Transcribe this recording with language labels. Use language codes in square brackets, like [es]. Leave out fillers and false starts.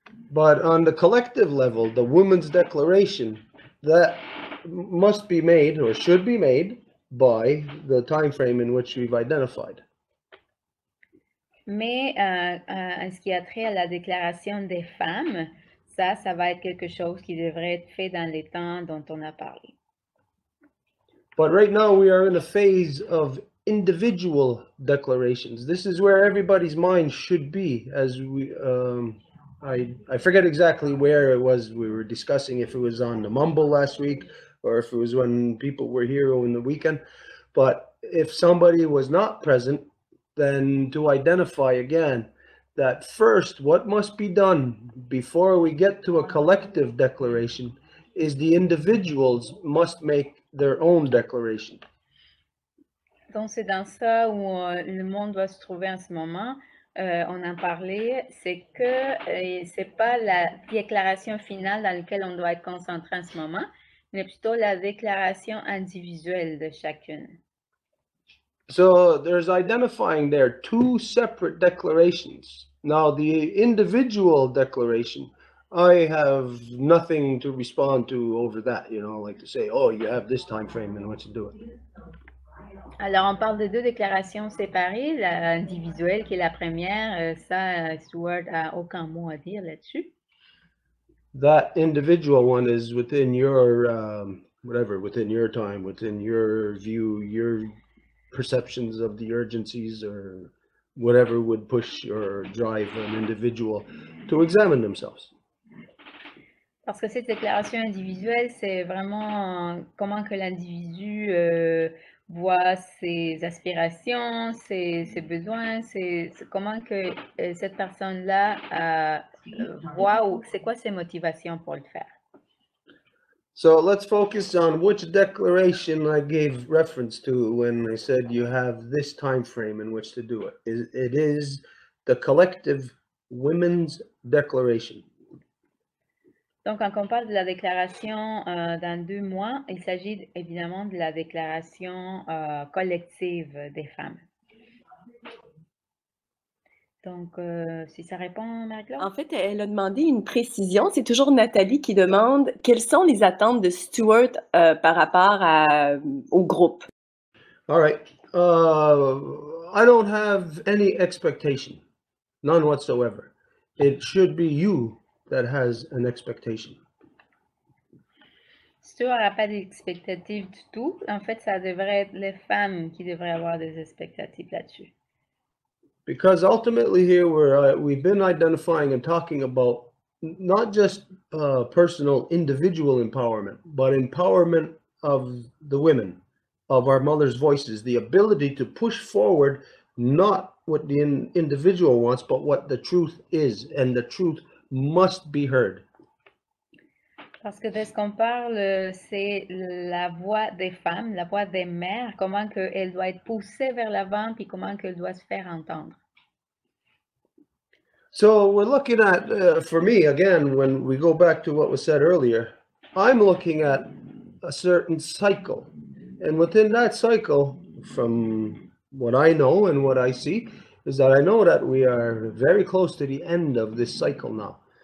[en] But on the collective level, the women's declaration, that must be made or should be made by the time frame in which we've identified. [fr] Mais en ce qui a trait à la déclaration des femmes, ça, ça va être quelque chose qui devrait être fait dans les temps dont on a parlé. [en] But right now we are in a phase of individual declarations. This is where everybody's mind should be as we, I forget exactly where it was we were discussing, if it was on the mumble last week or if it was when people were here over the weekend, but if somebody was not present, then to identify again that first what must be done before we get to a collective declaration is the individuals must make their own declaration. [fr] Donc c'est dans ça où le monde doit se trouver en ce moment, on en parlait, c'est que c'est pas la déclaration finale dans laquelle on doit être concentré en ce moment, mais plutôt la déclaration individuelle de chacune. [en] So there's identifying there two separate declarations. Now the individual declaration, I have nothing to respond to over that, you know, like to say, oh, you have this time frame and what you do it. [fr] Alors on parle de deux déclarations séparées, la individuelle qui est la première, ça Stuart a aucun mot à dire là-dessus. [en] That individual one is within your whatever, within your time, within your view, your perceptions of the urgencies or whatever would push or drive an individual to examine themselves. [fr] Parce que cette déclaration individuelle, c'est vraiment comment que l'individu voit ses aspirations, ses besoins, comment que cette personne-là voit ou c'est quoi ses motivations pour le faire. [en] So let's focus on which declaration I gave reference to when I said you have this time frame in which to do it. It is the collective women's declaration. [fr] Donc quand on parle de la déclaration dans deux mois, il s'agit évidemment de la déclaration collective des femmes. Donc, si ça répond, Marie-Claude? En fait, elle a demandé une précision. C'est toujours Nathalie qui demande quelles sont les attentes de Stuart par rapport au groupe. [en] All right. I don't have any expectation. None whatsoever. It should be you that has an expectation. [fr] Stuart n'a pas d'expectative du tout. En fait, ça devrait être les femmes qui devraient avoir des expectatives là-dessus. [en] Because ultimately here we've been identifying and talking about not just personal individual empowerment, but empowerment of the women, of our mothers' voices, the ability to push forward, not what the individual wants, but what the truth is, and the truth must be heard. [fr] Parce que de ce qu'on parle, c'est la voix des femmes, la voix des mères, comment qu'elle doit être poussée vers l'avant, puis comment qu'elle doit se faire entendre. [en] So we're looking at, for me, again, when we go back to what was said earlier, I'm looking at a certain cycle. And within that cycle, from what I know and what I see, is that I know that we are very close to the end of this cycle now.